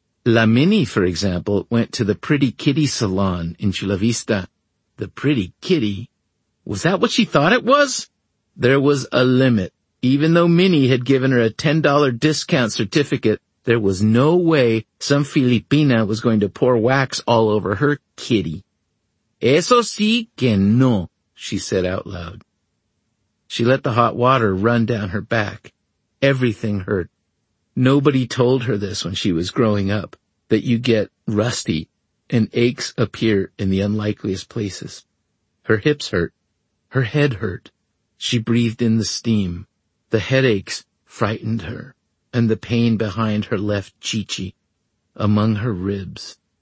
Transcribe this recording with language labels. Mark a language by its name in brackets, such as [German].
[English] La Mini, for example, went to the Pretty Kitty Salon in Chula Vista. The Pretty Kitty? Was that what she thought it was? There was a limit. Even though Minnie had given her a $10 discount certificate, there was no way some Filipina was going to pour wax all over her kitty. [Spanish] Eso sí que no, [English] she said out loud. She let the hot water run down her back. Everything hurt. Nobody told her this when she was growing up, that you get rusty and aches appear in the unlikeliest places. Her hips hurt. Her head hurt. She breathed in the steam. The headaches frightened her, and the pain behind her left chichi, among her ribs.